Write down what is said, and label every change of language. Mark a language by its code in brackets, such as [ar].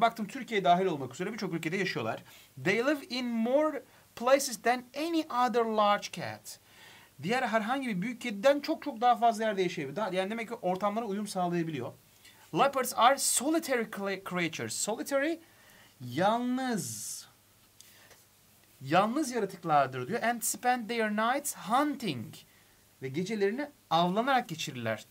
[tr] Baktım Türkiye dahil olmak üzere birçok ülkede yaşıyorlar. [en] They live in more places than any other large cat. [tr] Diğer herhangi bir büyük kediden çok çok daha fazla yerde yaşayabiliyor. Yani demek ki ortamlara uyum sağlayabiliyor. [en] Leopards are solitary creatures. [tr] Solitary, yalnız. Yalnız yaratıklardır diyor. [en] And spend their nights hunting. [tr] Ve gecelerini avlanarak geçirirler.